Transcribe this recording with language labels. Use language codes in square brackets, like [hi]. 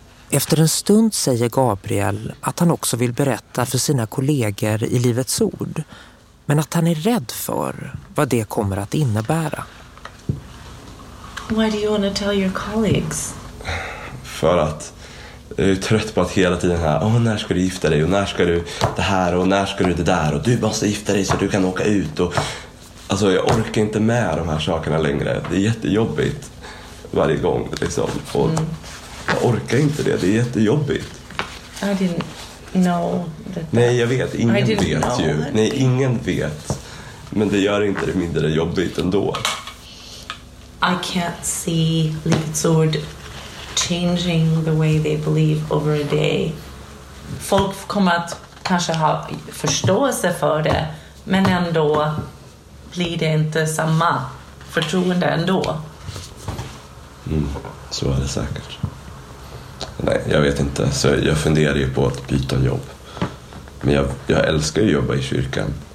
[sv] Efter en stund säger Gabriel att han också vill berätta för sina kollegor i Livets ord, men att han är rädd för vad det kommer att innebära. [en] Why do you want to tell your colleagues? [sv] För att jag är trött på att hela tiden här, åh, när ska du gifta dig, och när ska du det här, och när ska du det där, och du måste gifta dig så du kan åka ut, och alltså jag orkar inte med de här sakerna längre. Det är jättejobbigt varje gång liksom, och jag orkar inte det. Det är jättejobbigt. [en] I didn't know that. [sv] Nej, jag vet, ingen vet ju. Nej, ingen vet. Men det gör inte det mindre jobbigt ändå. [en] I can't see Livets ord changing the way they believe over a day. [sv] Folk kommer att kanske ha förståelse för det, men ändå blir det inte samma förtroende ändå. Så är det säkert. Nej, jag vet inte. Så jag funderar ju på att byta jobb. Men jag älskar ju att jobba i kyrkan.